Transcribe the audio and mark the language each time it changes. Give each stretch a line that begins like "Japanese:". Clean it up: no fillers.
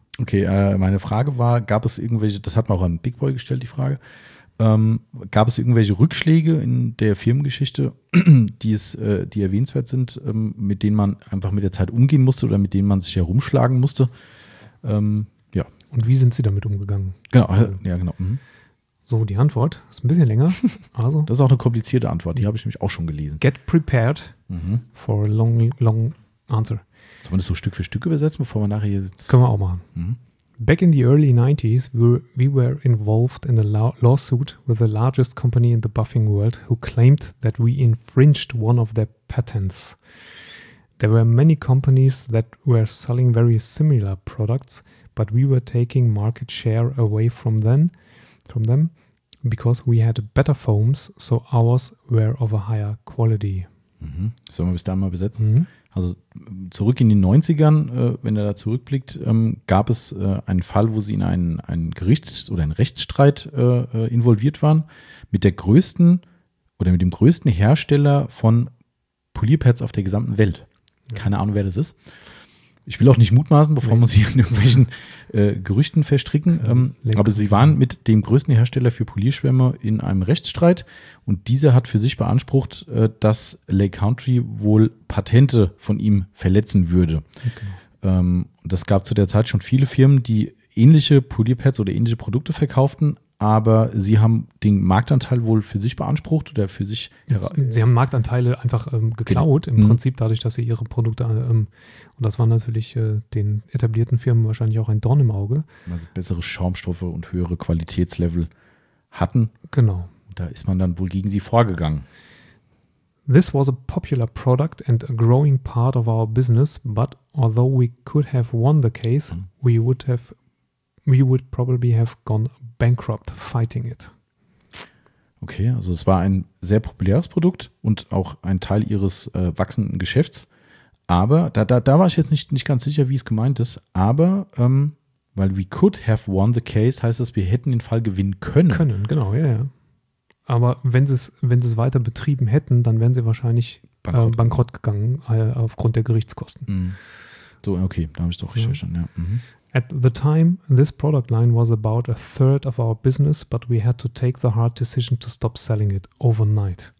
German: Okay, meine Frage war, gab es irgendwelche, das hat man auch an Big Boy gestellt, die Frage, gab es irgendwelche Rückschläge in der Firmengeschichte, die erwähnenswert sind, mit denen man einfach mit der Zeit umgehen musste oder mit denen man sich herumschlagen musste? Ja. Und wie sind Sie damit umgegangen? Genau, ja, genau. Mhm. So, die Antwort ist ein bisschen länger. Also, das ist auch eine komplizierte Antwort, die habe ich nämlich auch schon gelesen.
English: Get prepared for a long, long answer.
German: Soll man das so Stück für Stück übersetzen, bevor man nachher jetzt... Können wir auch machen. Mhm.
English: Back in the early 90s, we were involved in a lawsuit with the largest company in the buffing world who claimed that we infringed one of their patents. There were many companies that were selling very similar products, but we were taking market share away from them because we had better foams, so ours were of a higher quality. Mhm.
German: Sollen wir bis dahin mal besetzen? Mhm. Also zurück in den 90ern, wenn er da zurückblickt, gab es einen Fall, wo sie in einen Gerichts- oder einen Rechtsstreit involviert waren mit der größten oder mit dem größten Hersteller von Polierpads auf der gesamten Welt. Ja. Keine Ahnung, wer das ist. Ich will auch nicht mutmaßen, bevor man sich in irgendwelchen Gerüchten verstricken. Aber sie waren mit dem größten Hersteller für Polierschwämme in einem Rechtsstreit. Und dieser hat für sich beansprucht, dass Lake Country wohl Patente von ihm verletzen würde. Okay. Das gab zu der Zeit schon viele Firmen, die ähnliche Polierpads oder ähnliche Produkte verkauften. Aber sie haben den Marktanteil wohl für sich beansprucht oder für sich. Sie haben Marktanteile einfach geklaut, im Prinzip dadurch, dass sie ihre Produkte, und das war natürlich den etablierten Firmen wahrscheinlich auch ein Dorn im Auge. Also bessere Schaumstoffe und höhere Qualitätslevel hatten. Genau. Da ist man dann wohl gegen sie vorgegangen.
English: This was a popular product and a growing part of our business, but although we could have won the case, we would probably have gone bankrupt fighting it.
German: Okay, also es war ein sehr populäres Produkt und auch ein Teil ihres wachsenden Geschäfts. Aber da war ich jetzt nicht ganz sicher, wie es gemeint ist. Aber weil
English: we could have won the case,
German: heißt das, wir hätten den Fall gewinnen können. Können, genau, ja, ja. Aber wenn sie es weiter betrieben hätten, dann wären sie wahrscheinlich bankrott gegangen aufgrund der Gerichtskosten. Mm. So, okay, da habe ich doch richtig verstanden, ja.
English: At the time, this product line was about a third of our business, but we had to take the hard decision to stop selling it overnight.